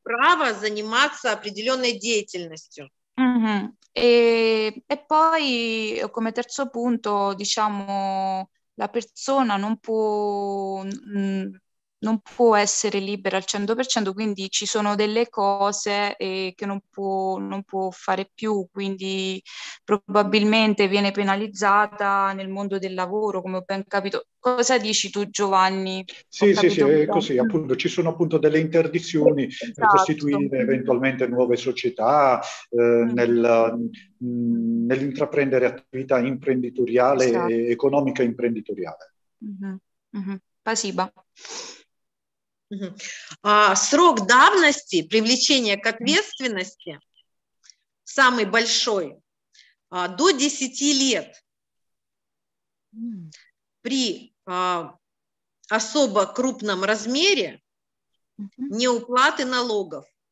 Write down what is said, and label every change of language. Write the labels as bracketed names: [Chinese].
[Russian] права заниматься определенной деятельностью. Mm-hmm. [Italian] E poi, come terzo punto, diciamo, la persona non può essere libera al 100%, quindi ci sono delle cose che non può fare più, quindi probabilmente viene penalizzata nel mondo del lavoro, come ho ben capito. Cosa dici tu, Giovanni? Sì, sì, sì, è così, appunto, ci sono appunto delle interdizioni per costituire eventualmente nuove società, nell'intraprendere attività imprenditoriale, economica imprenditoriale. [Russian] Спасибо. Срок давности привлечения к ответственности самый большой до 10 лет при особо крупном размере неуплаты налогов.